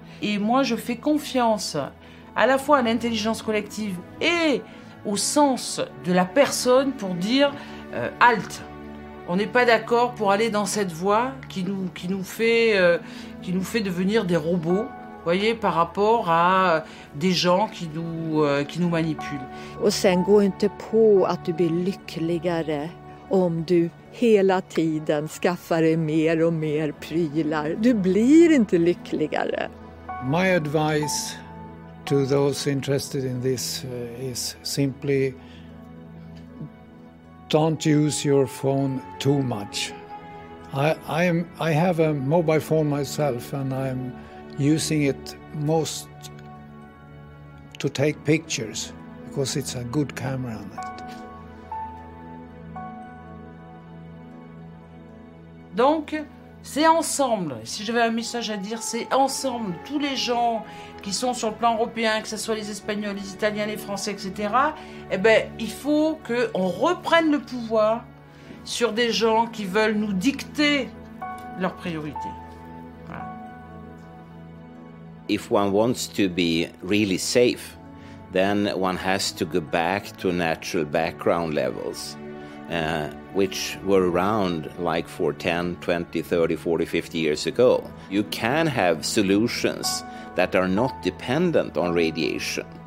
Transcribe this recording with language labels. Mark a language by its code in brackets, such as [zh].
[fr] Et moi, je fais confiance à la fois à l'intelligence collective et au sens de la personne pour dire halt. On n'est pas d'accord pour aller dans cette voie qui nous fait devenir des robots, voyez, par rapport à des gens qui nous manipulent. [sv] Och sen går inte på att du blir lyckligare om du hela tiden skaffar dig mer och mer prylar. Du blir inte lyckligare. [en] My advice to those interested in this is simply don't use your phone too much. I have a mobile phone myself and I'm using it most to take pictures because it's a good camera on it. [fr] Donc c'est ensemble, si j'avais un message à dire, c'est ensemble, tous les gens qui sont sur le plan européen, que ce soit les Espagnols, les Italiens, les Français, etc., eh ben, il faut qu'on reprenne le pouvoir sur des gens qui veulent nous dicter leurs priorités. Voilà. [en] If one wants to be really safe, then one has to go back to natural background levels. Which were around like for 10, 20, 30, 40, 50 years ago. You can have solutions that are not dependent on radiation.